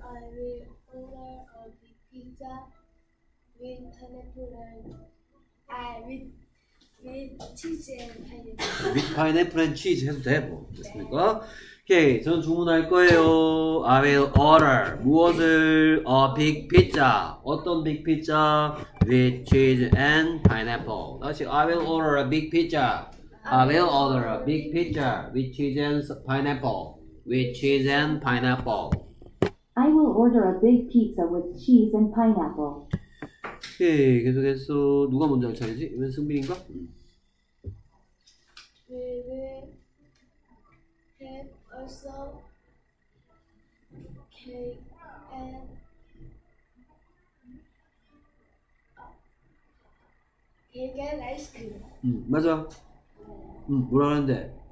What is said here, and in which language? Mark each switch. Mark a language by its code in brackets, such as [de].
[en] I will order a big pizza with pineapple and cheese. With pineapple and cheese [ko] 해도 돼, 뭐. 됐습니까? 오케이, 저는 주문할 거예요. [en] I will order [ko] 무엇을? [en] A big pizza. [ko] 어떤 [en] big pizza? With cheese and pineapple. [ko] 다시, [en] I will order a big pizza. I will order a big pizza with cheese and pineapple. With cheese and pineapple. I will order a big pizza with cheese and pineapple. [ko] 오케이, 계속해서 누가 먼저 할 차례지? 이건 승빈인가? [en] We will have also cake and cake and ice cream. [ko] 맞아. 뭐라 하는데?